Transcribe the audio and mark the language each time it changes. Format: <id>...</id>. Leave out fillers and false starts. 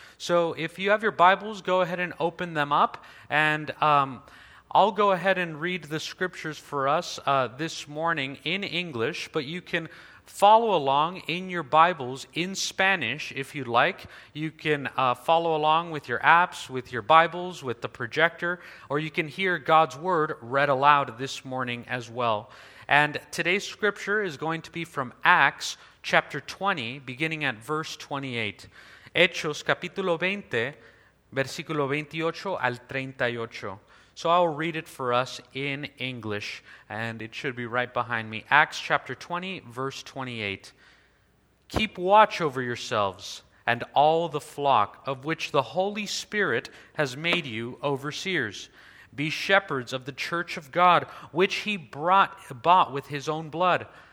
<en>So if you have your Bibles, go ahead and open them up, and I'll go ahead and read the scriptures for us this morning in English, but you can follow along in your Bibles in Spanish if you'd like. You can follow along with your apps, with your Bibles, with the projector, or you can hear God's Word read aloud this morning as well. And today's scripture is going to be from Acts chapter 20, beginning at verse 28.</en> <es>Hechos capítulo 20, versículo 28 al 38.</es> <en>So I'll read it for us in English, and it should be right behind me. Acts chapter 20, verse 28. Keep watch over yourselves and all the flock of which the Holy Spirit has made you overseers. Be shepherds of the church of God, which he bought with his own blood.</en>